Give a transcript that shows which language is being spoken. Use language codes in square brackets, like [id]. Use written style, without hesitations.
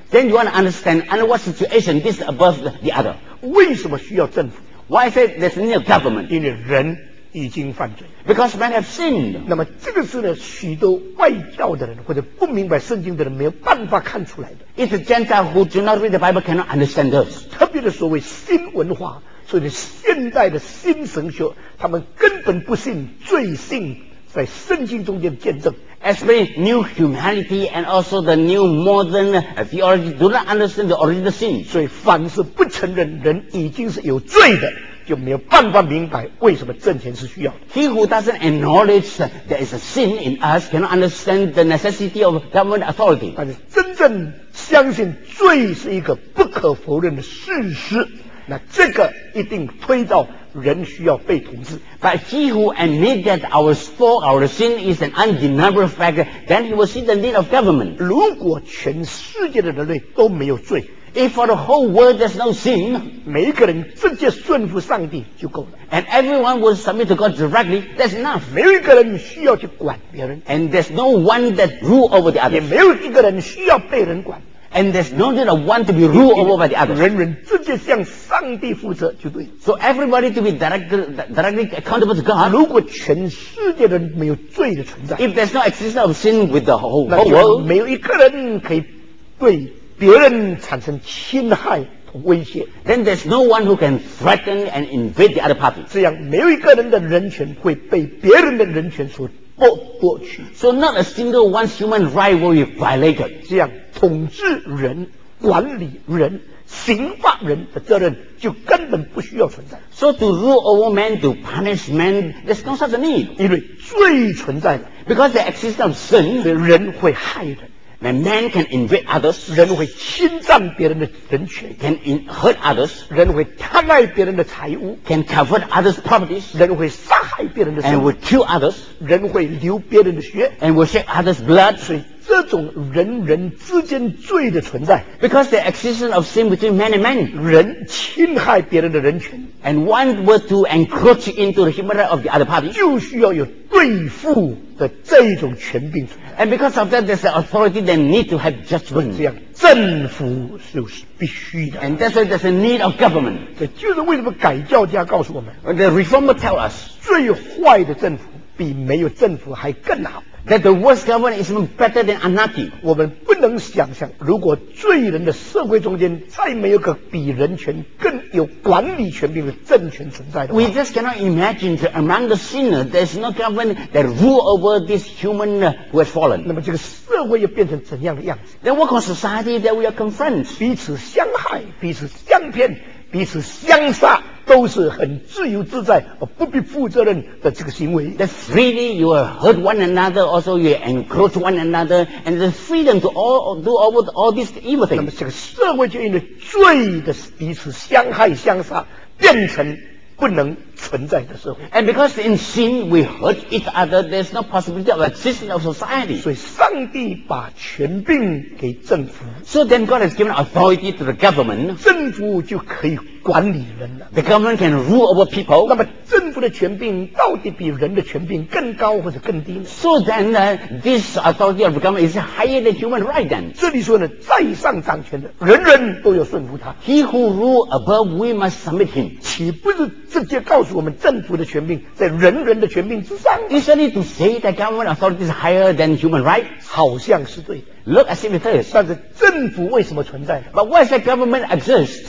[en] ？Then you want to understand under what situation this is above the other. [zh] 为什么需要政府 [en] ？Why say there's no government? [zh] 因为人已经犯罪 [en] ，because men have sinned. [zh] 那么这个是呢，许多外教的人或者不明白圣经的人没有办法看出来的。 [en] It's Gentiles who do not read the Bible cannot understand this. [zh] 特别的所谓新文化，所以现代的新神学，他们根本不信罪性在圣经中间的见证。 [en] Especially new humanity and also the new modern theology do not understand the original sin. [zh] 所以凡是不承认人已经是有罪的。就没有办法明白为什么政权是需要的。 [en] He who doesn't acknowledge that there is a sin in us cannot understand the necessity of government authority. [zh] 但是真正相信罪是一个不可否认的事实，那这个一定推到人需要被统治。 [en] But he who admits that our sin is an undeniable fact, then he will see the need of government. [zh] 如果全世界的人类都没有罪。 [en] If for the whole world there's no sin, [zh] 每一个人直接顺服上帝就够了。 [en] And everyone will submit to God directly, that's enough. [zh] 每一个人需要去管别人。 [en] And there's no one that rule over the others. [zh] 也没有一个人需要被人管。 [en] And there's no need of one to be ruled over by the others. [zh] 人人直接向上帝负责就对。 [en] So everybody to be directly accountable to God. [zh] 如果全世界的人没有罪的存在。 [en] If there's no existence of sin with the whole world, [zh] 没有一个人可以对别人产生侵害和威胁 [en] ，then there's no one who can threaten and invade the other party。 [zh] 这样没有一个人的人权会被别人的人权所剥去。 [en] So not a single one's human right will be violated。 [zh] 这样统治人、管理人、刑罚人的责任就根本不需要存在。 [en] So to rule over men, to punish men, there's no such a need。 [zh] 因为罪存在的 [en] ，because the existence of sin， [zh] 所以人会害人。 [en] When man can invade others, [zh] 人会侵占别人的人权 [en] can hurt others, [zh] 人会贪爱别人的财物 [en] can covet others' properties, [zh] 人会杀害别人的生命 [en] and will kill others, [zh] 人会流别人的血 [en] and will shed others' blood, [zh] 所以这种人人之间罪的存在 [en] because the existence of sin between man and man, [zh] 人侵害别人的人权 [en] and one were to encroach into the human right of the other party, [zh] 就需要有对付的这一种权柄 [en] and because of that there's an authority that need to have judgment [zh] 这样政府就是必须的 [en] and that's why there's a need of government [zh] 这就是为什么改教家告诉我们 [en] the reformer tell us [zh] 最坏的政府比没有政府还更好 [en] that the worst government is even better than anarchy [zh] 我们不能想象如果罪人的社会中间再没有个比人权更有管理权柄的政权存在的 [en] We just cannot imagine that among the sinners there's no government that rule over this human who has fallen. [zh] 那么这个社会又变成怎样的样子 [en] Then what kind of society that we are confronted? [zh] 彼此相害彼此相骗彼此相杀都是很自由自在而不必负责任的这个行为 [en] That freely you hurt one another also you encroach one another and the freedom to all do all these evil things [zh] 那么这个社会就因为罪的彼此相害相杀变成不能存在的社会。 [en] And because in sin we hurt each other, there's no possibility of existence of society. [zh] 所以上帝把权柄给政府。 [en] So then God has given authority to the government. [zh] 政府就可以管理人了。 [en] The government can rule over people. [zh] 那么政府的权柄到底比人的权柄更高或者更低呢？ [en] So then this authority of the government is higher than human right then. [zh] 这里说呢，在上掌权的人人都要顺服他。 [en] He who rule above, we must submit him. [zh] 岂不是直接告诉我们政府的权柄在人人的权柄之上？ [en] Isn't it to say that government authority is higher than human right? [zh] 好像是对的。 [en] Look as if it is. [zh] 但是政府为什么存在？ [en] But why does government exist?